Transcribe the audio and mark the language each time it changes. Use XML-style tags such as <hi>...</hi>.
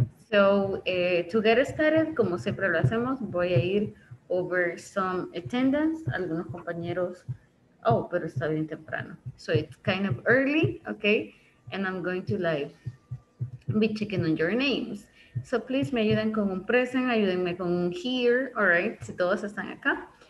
<en>So to get started,</en> <es>como siempre lo hacemos, voy a ir</es> <en>over some attendance,</en> <es>algunos compañeros, oh, pero está bien temprano.</es> <en>So it's kind of early, okay? And I'm going to like be checking on your names. So please,</en> <es>me ayuden con un present, ayúdenme con un here,</es> <en>all right,</en> <es>si todos están acá.</es>